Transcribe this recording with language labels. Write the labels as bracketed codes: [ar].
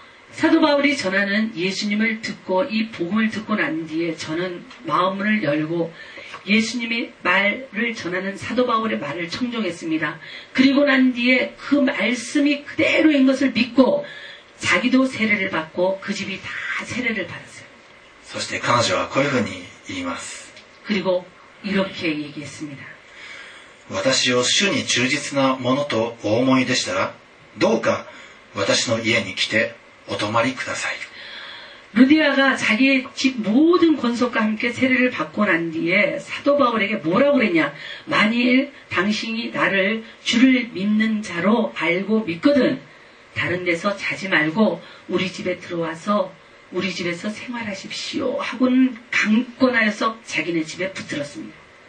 [ko] 사도바울이전하는예수님을듣고이복음을듣고난뒤에저는마음문을열고예수님의말을전하는사도바울의말을청종했습니다그리고난뒤에그말씀이그대로인것을믿고자기도세례를받고그집이다세례를받았어요 [ja] そして彼女はこういうふうに言います [ko] 그리고이렇게얘기했습니다 [ja] 私を主に忠実なものとお思いでしたら、どうか私の家に来てお泊まりください。 [ko] 루디아가자기의집모든권속과함께세례를받고난뒤에사도바울에게뭐라고그랬냐만일당신이나를주를믿는자로알고믿거든다른데서자지말고우리집에들어와서우리집에서생활하십시오하고는강권하여서자기네집에붙들었습니다